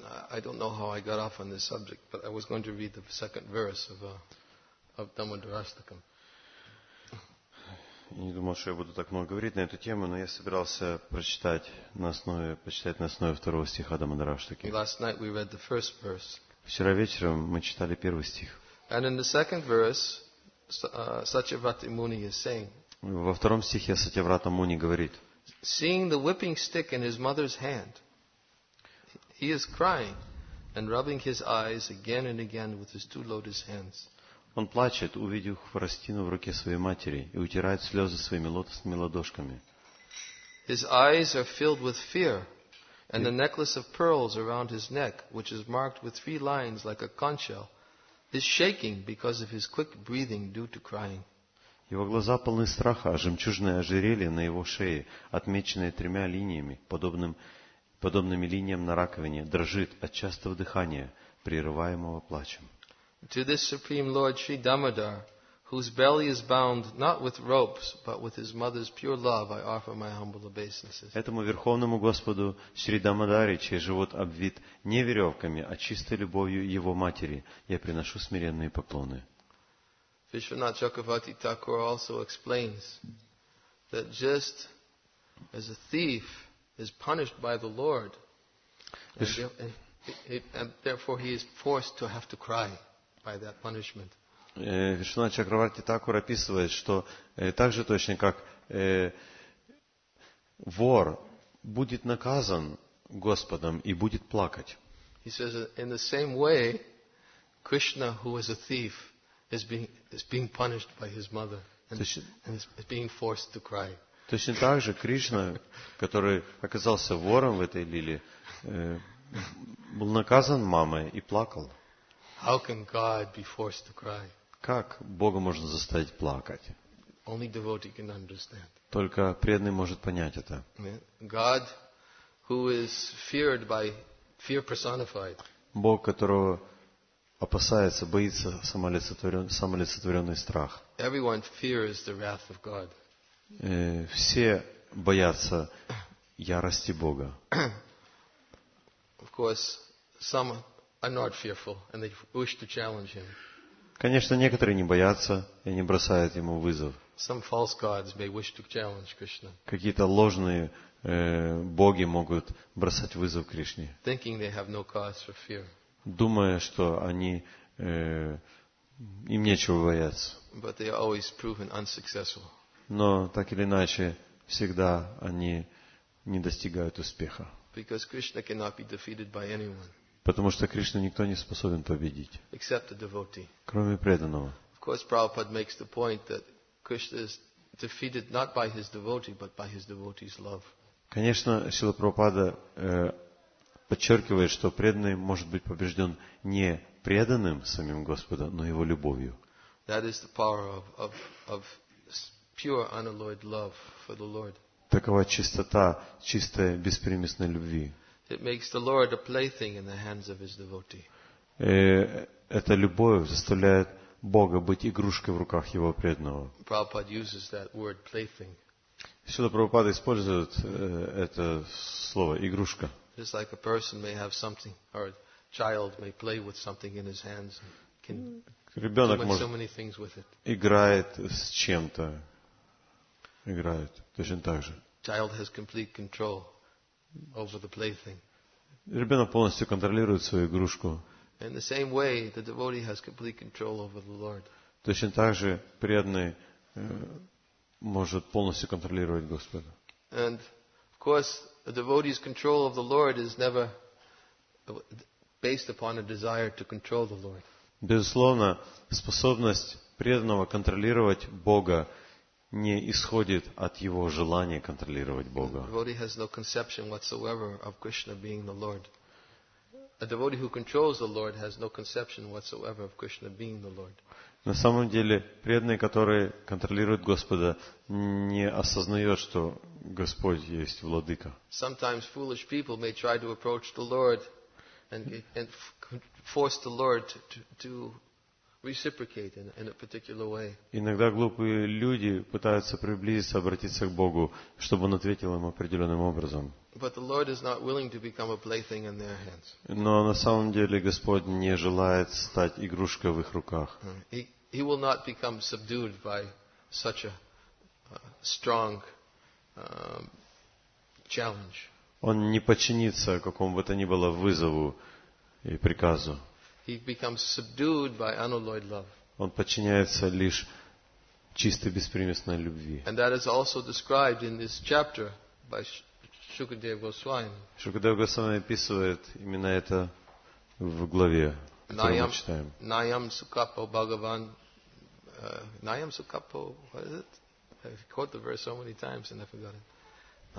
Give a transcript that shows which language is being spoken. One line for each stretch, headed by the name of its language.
English: I don't know how I got off on this subject, but I was going to read the second verse of Dhammadurastakam.
Russian: Не думал, что я буду так много говорить на эту тему, но я собирался прочитать на основе второго стиха Дамодараштаки.
English: Last night we read the first verse.
Russian: Вчера вечером мы читали первый стих.
English: And in the second verse, Satyavrata Muni is saying.
Russian: Во втором стихе Сатьяврата Муни говорит.
English: Seeing the whipping stick in his mother's hand, he is crying and rubbing his eyes again and again with his two lotus hands.
Russian: Он плачет, увидев хворостину в руке своей матери, и утирает слезы своими лотосными ладошками.
English: His eyes are filled with fear, and the necklace of pearls around his neck, which is marked with three lines like a conch shell, is shaking because of his quick breathing due to crying.
Russian: Его глаза полны страха, а жемчужное ожерелье на его шее, отмеченное тремя линиями, подобными линиям на раковине, дрожит от частого дыхания, прерываемого плачем.
English: To this Supreme Lord Sri Damodar, whose belly is bound not with ropes, but with his mother's pure love, I offer my humble obeisances.
Russian: Этому Верховному Господу Шри Дамодаре, чей живот обвит не веревками, а чистой любовью его матери, я приношу смиренные поклоны.
English: Vishwanath Chakravarti Thakur also explains that just as a thief is punished by the Lord, and therefore he is forced to have to cry by that punishment.
Russian: Вишванат Чакраварти Такур описывает, что так же точно, как вор будет наказан Господом и будет плакать.
English: He says in the same way, Krishna, who was a thief, is being punished by his mother and is being forced to cry.
Russian: Точно так же Кришна, который оказался вором в этой лиле, был наказан мамой и плакал.
English: How can God be forced to cry?
Russian: Как Бога можно заставить плакать?
English: Only devotee can understand.
Russian: Только преданный может понять это.
English: God, who is feared by fear personified.
Russian: Бог, которого опасается, боится самолицетворенный страх.
English: Everyone fears the wrath of God.
Russian: Все боятся ярости Бога.
English: Of course, some are not fearful and they wish to challenge him.
Russian: Конечно, некоторые не боятся и не бросают ему вызов.
English: Some false gods may wish to challenge Krishna.
Russian: Какие-то ложные боги могут бросать вызов Кришне.
English: Thinking they have no cause for fear.
Russian: Думая, что они им нечего бояться.
English: But they are always proven unsuccessful.
Russian: Но так или иначе, всегда они не достигают успеха.
English: Because Krishna cannot be defeated by anyone.
Russian: Потому что Кришну никто не способен победить.
English: Except a devotee.
Russian: Кроме преданного.
English: Of course, Prabhupada makes the point that Krishna is defeated not by his devotee, but by his devotee's love.
Russian: Конечно, Шрила Прабхупада подчеркивает, что преданный может быть побежден не преданным самим Господом, но его любовью.
English: That is the power of pure unalloyed love for the Lord.
Russian: Такова чистота чистой беспримесной любви.
English: It makes the Lord a plaything in the hands of his devotee.
Russian: Эта любовь заставляет Бога быть игрушкой в руках его преданного.
English: Prabhupada uses that word plaything.
Russian: Шрила Прабхупада использует это слово игрушка.
English: Just like a person may have something, or a child may play with something in his hands and can
Russian: Ребенок
English: do so many things with it.
Russian: Играет с чем-то. Играет точно так же.
English: Child has complete control over the plaything.
Russian: Ребенок полностью контролирует свою игрушку.
English: In the same way, the devotee has complete control over the Lord.
Russian: Точно так же преданный может полностью контролировать Господа.
English: And of course, a devotee's control of the Lord is never based upon a desire to control the Lord.
Russian: Безусловно, способность преданного контролировать Бога не исходит от его желания контролировать Бога.
English: A devotee has no conception whatsoever of Krishna being the Lord. A devotee who controls the Lord has no conception whatsoever of Krishna being the Lord.
Russian: На самом деле, преданный, который контролирует Господа, не осознает, что Господь есть владыка.
English: Sometimes foolish people may try to approach the Lord and force the Lord to reciprocate in a particular way.
Russian: Иногда глупые люди пытаются приблизиться, обратиться к Богу, чтобы он ответил им определенным образом.
English: But the Lord is not willing to become a plaything in their hands.
Russian: Но на самом деле Господь не желает стать игрушкой в их руках.
English: He will not become subdued by such a strong challenge.
Russian: Он не подчинится какому бы то ни было вызову и приказу.
English: He becomes subdued by unalloyed love.
Russian: Он подчиняется лишь чистой беспримесной любви.
English: And that is also described in this chapter by Shukadeva Goswami.
Russian: Шукадева Госвами описывает именно это в главе, которую мы читаем.
Sanskrit: Nayam Sukapo Bhagavan. Nayam Sukapo,
English: what is it? I've quoted the verse so many times and I forgot it.